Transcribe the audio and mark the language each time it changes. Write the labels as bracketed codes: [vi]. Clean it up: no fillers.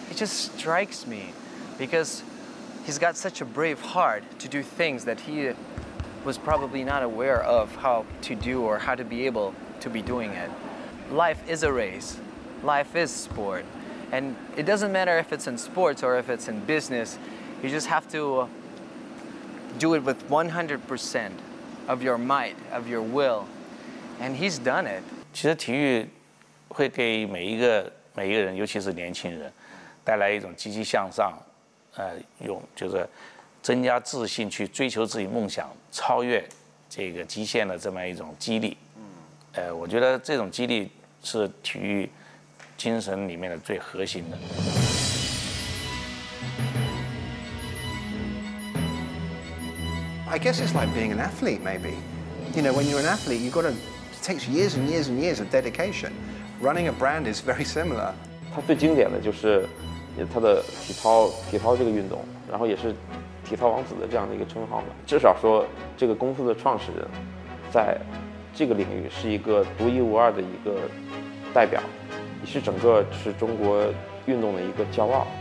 [en] It just strikes me because he's got such a brave heart to do things that he was probably not aware of how to do or how to be able to be doing it. Life is a race. Life is sport. And it doesn't matter if it's in sports or if it's in business, you just have to do it with 100% of your might, of your will. And he's done it. [zh] 其实体育会给每一个人，尤其是年轻人，带来一种积极向上，用就是增加自信，去追求自己梦想，超越这个极限的这么一种激励。我觉得这种激励是体育精神里面的最核心的。 [en] I guess it's like being an athlete, maybe. You know, when you're an athlete, you've got to. It takes years and years and years of dedication. Running a brand is very similar. [zh] 它最经典的就是它的体操这个运动，然后也是体操王子的这样的一个称号嘛。至少说这个公司的创始人在这个领域是一个独一无二的一个代表，也是整个是中国运动的一个骄傲。